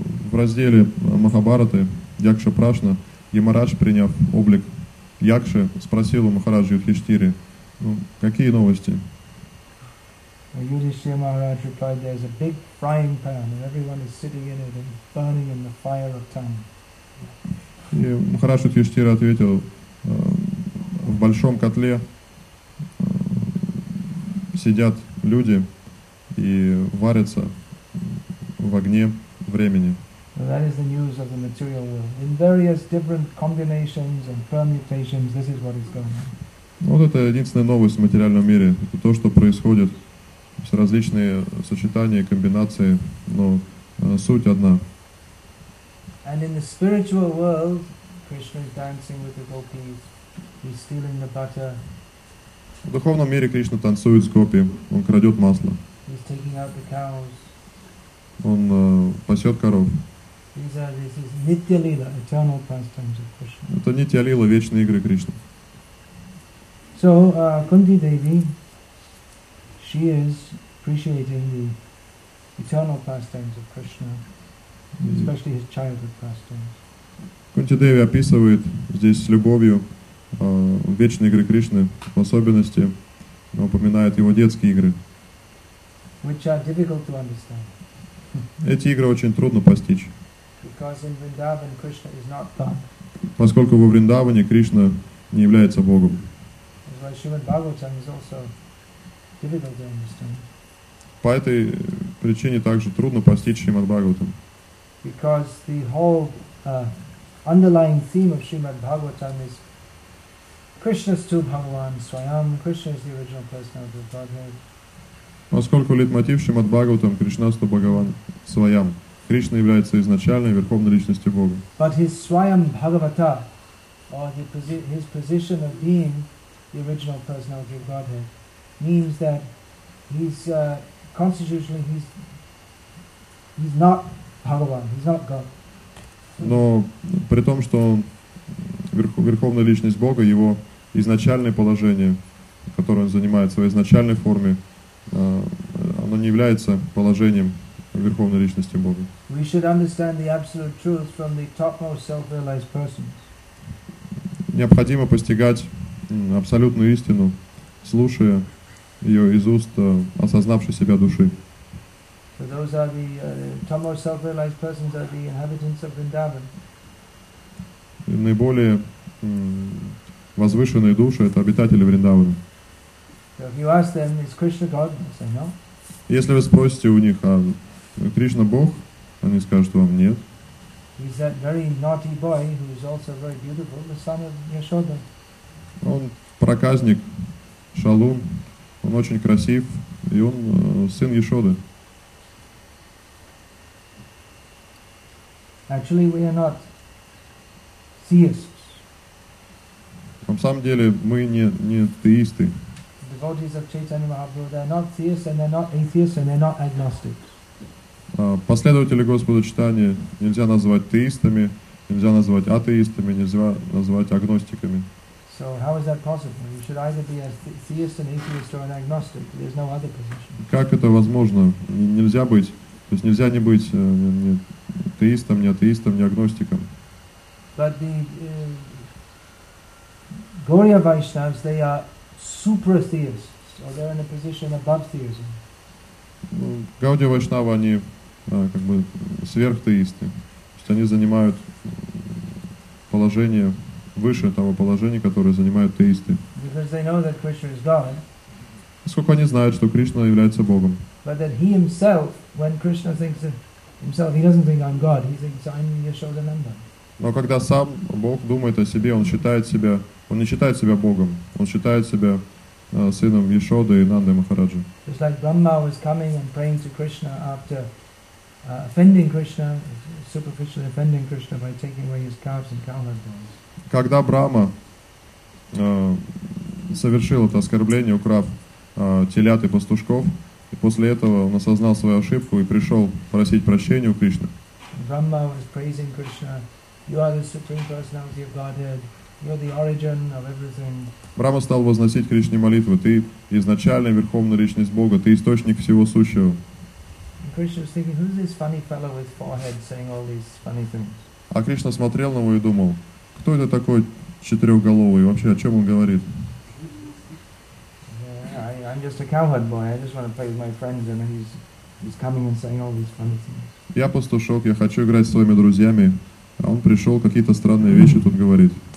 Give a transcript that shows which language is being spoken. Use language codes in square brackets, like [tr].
[ru] В разделе Махабхараты Якша Прашна Ямарадж, приняв облик Якши, спросил у Махараджа Юдхиштхиры, какие новости? [en] Yudhishthira Maharaj replied, there's a big frying pan and everyone is sitting in it and burning in the fire of time. [ru] И Махарадж Юдхиштхира ответил, в большом котле сидят люди и варятся в огне времени. [en] So that is the news of the material world. In various different combinations and permutations, this is what is going on. [ru] Вот это единственная новость в материальном мире. Это то, что происходит. Все различные сочетания, комбинации, но суть одна. [en] And in the spiritual world, Krishna is dancing with the gopis. He's stealing the butter. [ru] В духовном мире Кришна танцует с гопи, он крадет масло. [en] He's taking out the cows. [ru] Он пасет коров. [en] This is Nitya Lila, eternal pastimes of Krishna. [ru] Это Нитья Лила, вечные игры Кришны. [en] So, Kunti Devi, she is appreciating the eternal pastimes of Krishna, especially his childhood pastimes. [ru] Кунти Деви описывает здесь с любовью вечные игры Кришны, в особенности упоминает его детские игры. [en] Which are difficult to understand. [ru] Эти игры очень трудно постичь. [en] Because in Vrindavan Krishna is not God. [ru] Поскольку во Вриндаване Кришна не является Богом. [en] As well, Shrimad Bhagavatam is also difficult to understand. [ru] По этой причине также трудно постичь Шримад Бхагаватам. [en] Because the whole underlying theme of Shrimad Bhagavatam is Krishna's two Bhagavan Swayam. Krishna is the original personality of Godhead. [ru] Поскольку лейтмотив Шримад Бхагаватам Кришнасту Бхагаван Свайам. Кришна является изначальной верховной личностью Бога. [en] But his Swayam Bhagavata, or his position of being the original personality of Godhead, means that he's constitutionally he's not Bhagavan, he's not God. [ru] Но при том, что он верховная личность Бога, его изначальное положение, которое он занимает в своей изначальной форме, оно не является положением верховной личности Бога. [en] We should understand the absolute truth from the topmost self-realized persons. [ru] Необходимо постигать абсолютную истину, слушая ее из уст осознавшей себя души. [en] So those are the topmost self-realized persons are the inhabitants of Vrindavan. [ru] Наиболее возвышенные души — это обитатели Вриндавана. [en] So if you ask them, is Krishna God? They say no. [ru] Если вы спросите у них, а Кришна Бог, они скажут вам нет. [en] He's that very naughty boy who is also very beautiful, the son of Yashoda. [ru] Он проказник, шалун, он очень красив, и он сын Яшоды. [en] Actually, we are not theists. [ru] На самом деле, мы не теисты. [en] The devotees of Chaitanya Mahaprabhu, they're not theists, and they're not atheists, and they're not agnostics. [ru] Последователи Господа Читания нельзя назвать теистами, нельзя назвать атеистами, нельзя назвать агностиками. [en] So how is that possible? You should either be a theist, an atheist, or an agnostic. There's no other position. [ru] Как это возможно? Нельзя быть, то есть нельзя не быть ни теистом, ни атеистом, ни агностиком. [en] But the Gaudiya Vaishnavas, they are super theists, or they're in a position above theism. [ru] Гаудия Вайшнава, они как бы сверхтеисты. То есть они занимают положение выше того положения, которое занимают теисты. [en] Because they know that Krishna is God. [ru] Поскольку они знают, что Кришна является Богом. [en] But that he himself, when Krishna thinks of himself, he doesn't think I'm God, he thinks I'm Yashoda Nanda. [ru] Но когда сам Бог думает о себе, он считает себя, он не считает себя Богом, он считает себя сыном Яшоды и Нанды Махараджи. [en] Just like Brahma was coming and praying to Krishna after offending Krishna, superficially offending Krishna by taking away his calves and cowherd bones. [ru] Когда Брама совершил это оскорбление, украв телят и пастушков, и после этого он осознал свою ошибку и пришел просить прощения у Кришны. [en] Brahma was praising Krishna. You are the supreme personality of Godhead. You're the origin of everything. [ru] Брама стал возносить Кришне молитвы. Ты изначальная верховная личность Бога. Ты источник всего сущего. [en] And Krishna was thinking, who's this funny fellow with forehead saying all these funny things? [ru] А Кришна смотрел на него и думал, кто это такой четырехголовый? Вообще, о чем он говорит? [en] Yeah, I'm just a cowherd boy. I just want to play with my friends, and he's coming and saying all these funny things. [ru] Я пастушок. Я хочу играть с своими друзьями. А он пришел, какие-то странные вещи тут говорит.